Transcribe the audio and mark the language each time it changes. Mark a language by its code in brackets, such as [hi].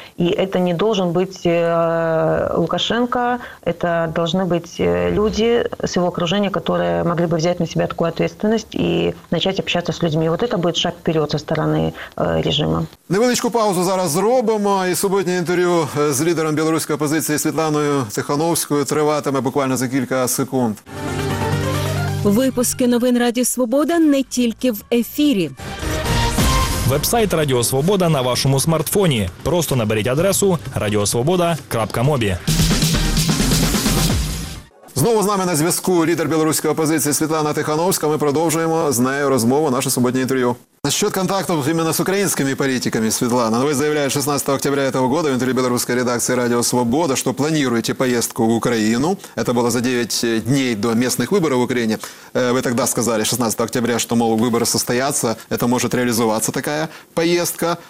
[ru] И это не должен быть Лукашенко, это должны быть люди с его окружения, которые могли бы взять на себя такую ответственность и начать общаться с людьми. Вот это будет шаг вперед со стороны режима. [uk] Невеличку паузу зараз зробимо. І суботнє інтерв'ю з лідером білоруської опозиції Світланою Тихановською триватиме буквально за кілька секунд. Випуски новин Радіо Свобода не тільки в ефірі. Вебсайт Радіо Свобода на вашому смартфоні. Просто наберіть адресу radiosvoboda.mobi. Знову з нами на зв'язку лідер білоруської опозиції Світлана Тихановська. Ми продовжуємо з нею розмову, наше суботнє інтерв'ю. [ru] Насчет контактов именно с украинскими политиками, Светлана, вы заявляете 16 октября этого года в интервью белорусской редакции «Радио Свобода», что планируете поездку в Украину. Это было за 9 дней до местных выборов в Украине. Вы тогда сказали 16 октября, что, мол, выборы состоятся, это может реализоваться такая поездка.